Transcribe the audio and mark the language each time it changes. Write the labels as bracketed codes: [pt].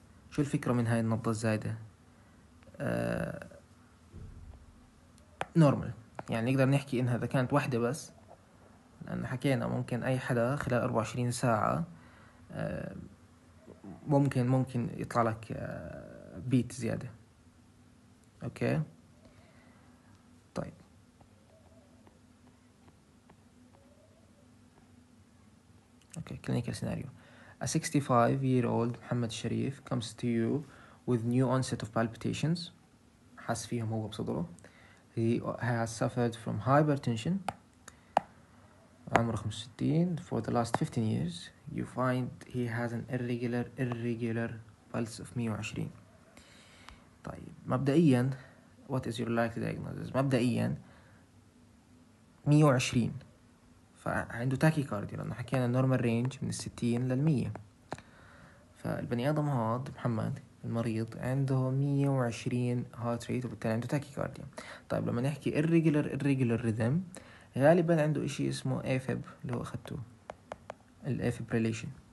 [ar] شو الفكره من هاي النبضه الزايده؟ نورمال، يعني نقدر نحكي انها اذا كانت واحده بس، لان حكينا ممكن اي حدا خلال 24 ساعه ممكن يطلع لك بيت زيادة. اوكي طيب اوكي، كلينيكال سيناريو. [en] A 65-year-old محمد الشريف comes to you with new onset of palpitations، [ar] حاس فيهم هو بصدره. [en] He has suffered from hypertension، [ar] عمره 65. [en] For the last 15 years you find he has an irregular pulse of 120. [ar] طيب مبدئيا [en] what is your likely diagnosis؟ [ar] مبدئيا 120، ف فعنده تاكي كارديا لانه حكينا النورمال رينج من 60 للمية. فالبني ادم هاد محمد المريض عنده 120 هارت ريت وبالتالي عنده تاكي كارديا. طيب لما نحكي الريجولر ريذم غالبا عنده اشي اسمه افيب اللي هو اخدته الافيب ريليشن.